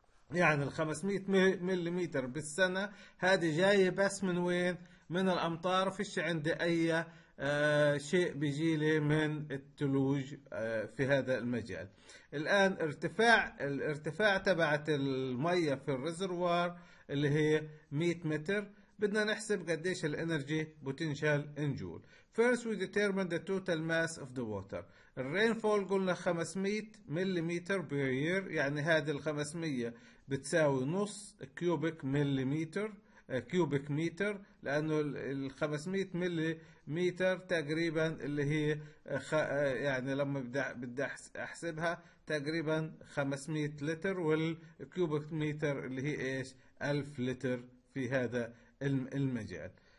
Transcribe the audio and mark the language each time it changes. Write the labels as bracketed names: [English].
[Arabic] يعني ال 500 مليمتر بالسنه هذه جايه بس من وين؟ من الامطار، فيش عندي اي شيء بيجي لي من الثلوج في هذا المجال. الان الارتفاع تبعت الميه في الريزروار اللي هي 100 متر، بدنا نحسب قديش الانرجي بوتنشال ان جول. [English] First we determine the total mass of the water. [Arabic] الرينفول قلنا 500 مليمتر بير يير، يعني هذه ال 500 بتساوي نص كيوبيك مليمتر، كيوبيك متر، لانه ال 500 مليمتر تقريبا اللي هي يعني لما بدي احسبها تقريبا 500 لتر، والكيوبيك متر اللي هي ايش؟ 1000 لتر في هذا المجال.